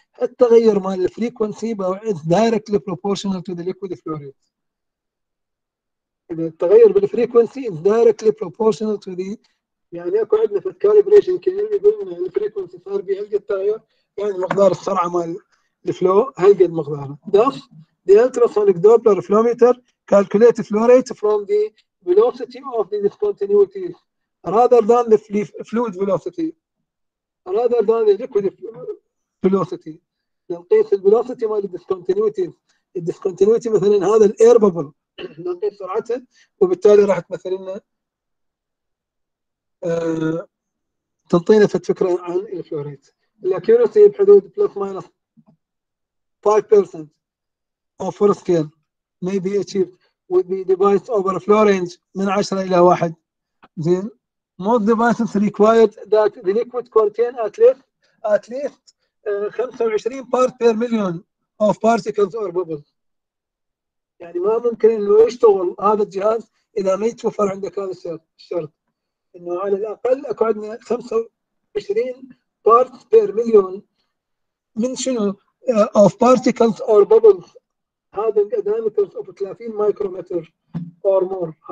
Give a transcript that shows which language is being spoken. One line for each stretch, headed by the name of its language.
Arabic: التغير مال الفريكونسي بقى
English: Is directly proportional to the liquid flow rate.
Arabic: اذا التغير بالفريكونسي
English: is directly proportional to the,
Arabic: يعني اكو عندنا في الكالبريشن كان يقول لنا الفريكونسي صار بيه التغير يعني مقدار السرعة مال الفلو هاي قد مقدارها.
English: Does the ultrasonic doppler flow meter calculate flow rate from the velocity of the discontinuity rather than the fluid velocity rather than the liquid velocity.
Arabic: نقيس الـ velocity مال الـ discontinuity. الـ discontinuity مثلا هذا الـ air bubble نقيس سرعته وبالتالي راح تمثل لنا تنطينا فكرة عن الـ flow rate.
English: الـ accuracy
Arabic: بحدود
English: plus minus 5% of full scale may be achieved with the device over a flow range
Arabic: من 10 إلى 1.
English: Then most devices required that the liquid contain at least 25 parts per million of particles or bubbles.
Arabic: يعني ما ممكن إنه يشتغل هذا الجهاز إذا ما يتوفر عندك هذا الشرط. إنه على الأقل أقعدنا
English: 25 parts per million
Arabic: من شنو؟
English: of particles or bubbles.
Arabic: هذا الـ
English: diameters of 30 micrometer or more.